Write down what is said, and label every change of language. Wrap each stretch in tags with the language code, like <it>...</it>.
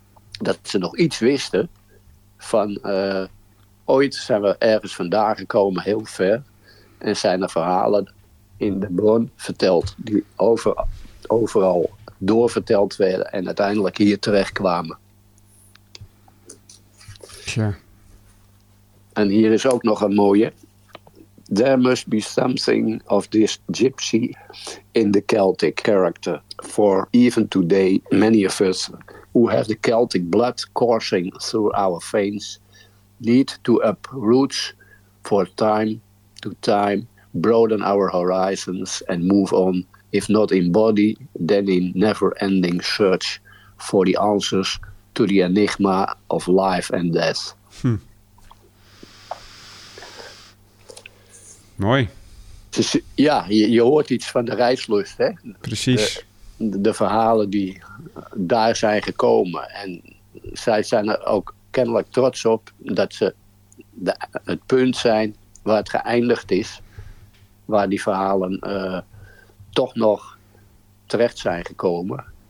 <nl>Dat ze nog iets wisten van ooit zijn we ergens vandaan gekomen, heel ver, en zijn er verhalen in de bron verteld die overal doorverteld werden en uiteindelijk hier terechtkwamen. Tja. En hier is ook nog een mooie.</nl> <en>There must be something of this gypsy in the Celtic character. For even today, many of us who have the Celtic blood coursing through our veins need to uproot for time to time, broaden our horizons and move on, if not in body, then in never-ending search for the answers to the enigma of life and death.</en> <nl>Mooi. Dus, ja, je hoort iets van de reislust, hè? Precies. De verhalen die daar zijn gekomen. En zij zijn er ook kennelijk trots op dat ze het punt zijn waar het geëindigd is, waar die verhalen toch nog terecht zijn gekomen.</nl>